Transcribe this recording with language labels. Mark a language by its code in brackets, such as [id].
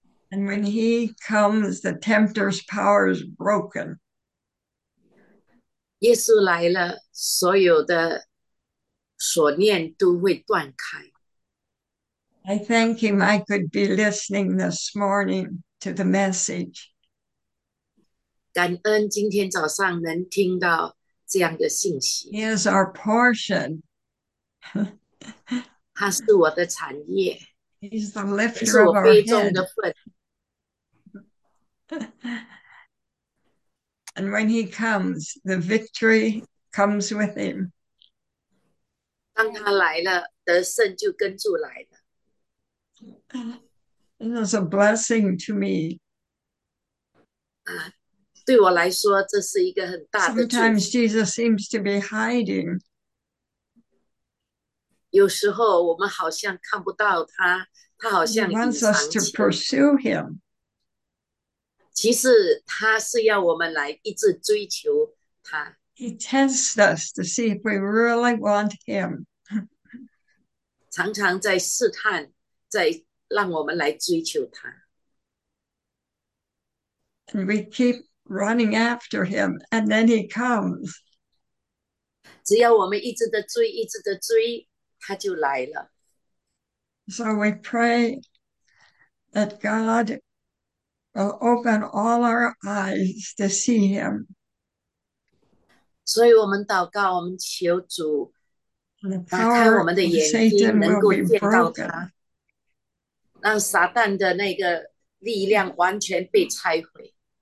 [en] And when he comes, the tempter's power is broken. [zh] 耶稣来了，所有的锁链都会断开。 [en] I thank him I could be listening this morning to the message. [zh] 感恩今天早上能听到这样的信息。 [en] He is our portion. [zh] 他是我的产业。 [en] He's the lifter of our head. [zh] 是我杯中的份。 [en] And when he comes, the victory comes with him. [zh] 当他来了，得胜就跟住来了。 [en] It was a blessing to me. [zh] 对我来说，这是一个很大的祝福。 [en] Sometimes Jesus seems to be hiding. [zh] 有时候我们好像看不到他，他好像隐藏起来。 [en] He wants us to pursue him. [zh] 其实他是要我们来一直追求他。 [en] He tests us to see if we really want him. [zh] 常常在试探，在让我们来追求他。 [en] And we keep running after him, and then he comes. [zh] 只要我们一直的追，一直的追，他就来了。 [en] So we pray that God will open all our eyes to see him. [zh] 所以我们祷告，我们求主打开我们的眼睛，能够见到他，让撒旦的那个力量完全被拆毁。